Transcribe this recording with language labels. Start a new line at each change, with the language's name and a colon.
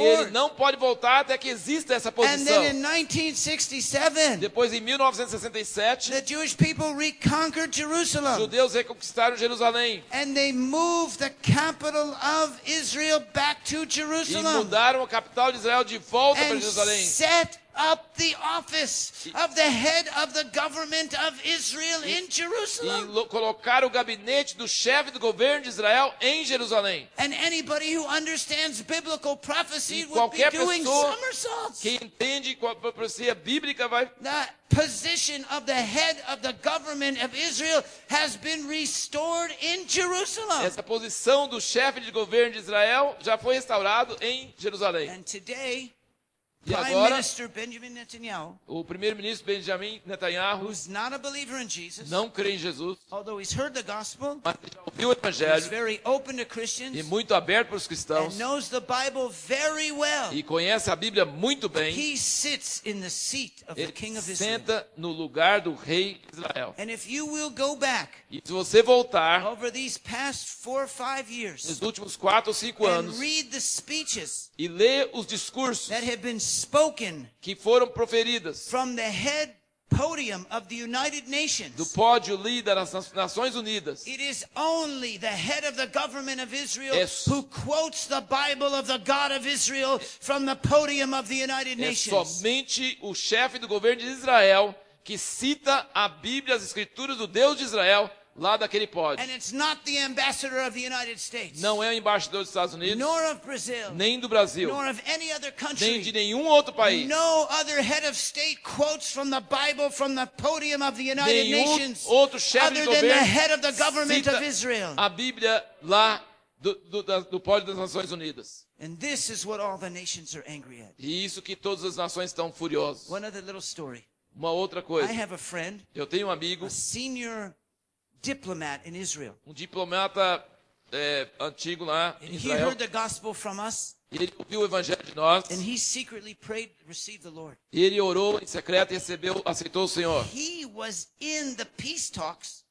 Portuguese: E ele não pode voltar até que exista essa posição.
English: And then in 1967,
Portuguese: depois em 1967,
English: the Jewish people reconquered Jerusalem.
Portuguese: Os judeus reconquistaram Jerusalém.
English: And they moved the capital of Israel back to Jerusalem.
Portuguese: E mudaram a capital de Israel de volta para Jerusalém.
English: Up the office of the head of the government of Israel in Jerusalem.
Portuguese: Colocar o gabinete do chefe do governo de Israel em Jerusalém.
English: And anybody who understands biblical prophecy would be doing somersaults.
Portuguese: Quem entende qual profecia bíblica vai.
English: Position of the head of the government of Israel has been restored in Jerusalem.
Portuguese: Essa posição do chefe de governo de Israel já foi restaurado em Jerusalém.
English: And today,
Portuguese: e agora,
English: Prime
Portuguese: o primeiro-ministro Benjamin Netanyahu,
English: who's not a believer in Jesus,
Portuguese: não crê em Jesus,
English: although he's heard the gospel,
Portuguese: mas ele já ouviu o Evangelho,
English: he's very open to Christians,
Portuguese: e muito aberto para os cristãos,
English: and knows the Bible very well,
Portuguese: e conhece a Bíblia muito bem,
English: he sits in the seat of
Portuguese: ele
English: the King of Israel.
Portuguese: Senta no lugar do rei Israel.
English: And if you will go back,
Portuguese: e se você voltar
English: over these past four or five years,
Portuguese: nos últimos 4 ou 5 anos,
English: and read the speeches,
Portuguese: e lê os discursos
English: that have been spoken,
Portuguese: que foram proferidas
English: from the head podium of the United Nations,
Portuguese: do pódio líder das Nações Unidas.
English: It is only the head of the government of Israel who quotes the Bible of the God of Israel from the podium of the United Nations.
Portuguese: É somente o chefe do governo de Israel que cita a Bíblia, as escrituras do Deus de Israel lá daquele pódio.
English: And it's not the ambassador of the United States,
Portuguese: não é o embaixador dos Estados Unidos,
English: nor of Brazil,
Portuguese: nem do Brasil,
English: nor of any other country,
Portuguese: nem de nenhum outro país.
English: No other head of state quotes from the Bible from the podium of the United Nations,
Portuguese: outro chefe
English: other
Portuguese: de governo
English: than the head of the government of Israel,
Portuguese: a Bíblia lá do pódio das Nações Unidas.
English: And this is what all the nations are angry at.
Portuguese: E isso que todas as nações estão furiosas.
English: One other little story.
Portuguese: Uma outra coisa.
English: I have a friend,
Portuguese: eu tenho um amigo,
English: a senior diplomat in Israel.
Portuguese: Um diplomata antigo lá em Israel.
English: He heard the gospel from us.
Portuguese: Ele ouviu o evangelho de nós.
English: And he secretly prayed, received the Lord.
Portuguese: E ele orou em secreto e recebeu, aceitou o Senhor.
English: He was in the peace talks.